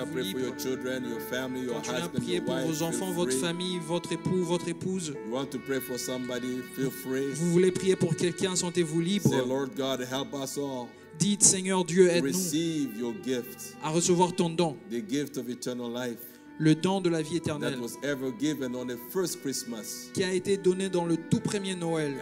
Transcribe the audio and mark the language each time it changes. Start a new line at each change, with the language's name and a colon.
French: à prier pour vos enfants, votre famille, votre époux, votre épouse.
English: You want to pray for somebody, feel free.
French: Vous voulez prier pour quelqu'un, sentez-vous libre.
English: Say, Lord God, help us all.
French: Dites, Seigneur Dieu, aide-nous.
English: Receive your gift.
French: À recevoir ton don.
English: The gift of eternal life.
French: Le don de la vie éternelle.
English: That was ever given on the first Christmas.
French: Qui a été donné dans le tout premier Noël.